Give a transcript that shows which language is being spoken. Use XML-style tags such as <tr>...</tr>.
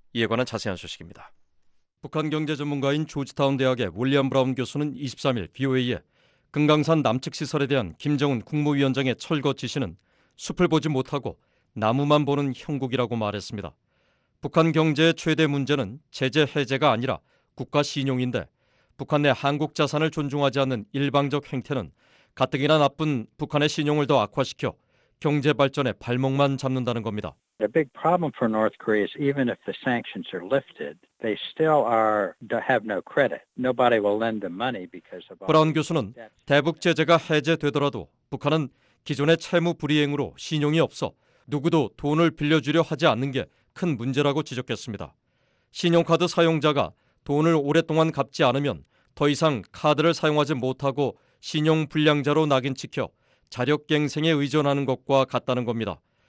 <ko>이에 관한 자세한 소식입니다. 북한 경제 전문가인 조지타운 대학의 윌리엄 브라운 교수는 23일 BOA에 금강산 남측 시설에 대한 김정은 국무위원장의 철거 지시는 숲을 보지 못하고 나무만 보는 형국이라고 말했습니다. 북한 경제의 최대 문제는 제재 해제가 아니라 국가 신용인데 북한 내 한국 자산을 존중하지 않는 일방적 행태는 가뜩이나 나쁜 북한의 신용을 더 악화시켜 경제 발전에 발목만 잡는다는 겁니다.</ko> <en>The big problem for North Korea is even if the sanctions are lifted, they still are have no credit. Nobody will lend them money because of.</en> <ko>브라운 교수는 대북 제재가 해제되더라도 북한은 기존의 채무 불이행으로 신용이 없어 누구도 돈을 빌려주려 하지 않는 게 큰 문제라고 지적했습니다. 신용카드 사용자가 돈을 오랫동안 갚지 않으면 더 이상 카드를 사용하지 못하고 신용 불량자로 낙인 찍혀 자력갱생에 의존하는 것과 같다는 겁니다.</ko>